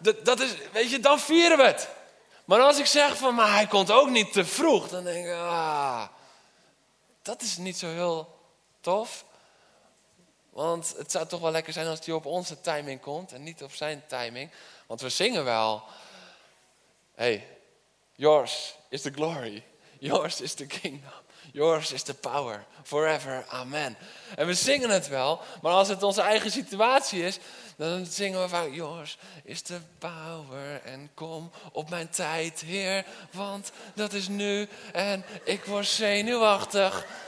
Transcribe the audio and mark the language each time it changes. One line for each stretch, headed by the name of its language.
Dutch: dat is, weet je, dan vieren we het. Maar als ik zeg van, maar hij komt ook niet te vroeg, dan denk ik, ah, dat is niet zo heel tof. Want het zou toch wel lekker zijn als hij op onze timing komt en niet op zijn timing. Want we zingen wel,
English: hey, yours is the glory, yours is the kingdom, yours is the power, forever, amen.
Dutch: En we zingen het wel, maar als het onze eigen situatie is, dan zingen we vaak,
English: yours is the power
Dutch: en kom op mijn tijd, Heer, want dat is nu en ik word zenuwachtig.